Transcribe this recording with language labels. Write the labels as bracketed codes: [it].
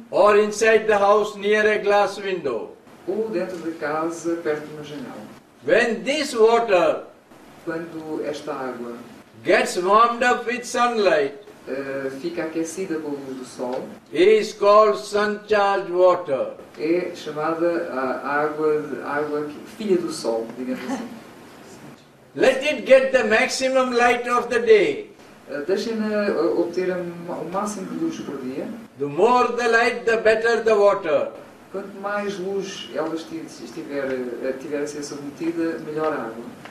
[en] Or inside the house near a glass window. [pt] Ou dentro de casa perto de uma janela. [en] When this water, [pt] quando esta água, [en] gets warmed up with sunlight, [pt] fica aquecida com a luz do sol, [en] is called sun-charged water. [pt] É chamada água filha do sol, digamos assim. [en] Let it get the maximum light of the day. [pt] Deixem-na obter o máximo de luz por dia. [en] The more the light, the better the water. [pt] Quanto mais luz ela estiver a ser submetida, melhor a água.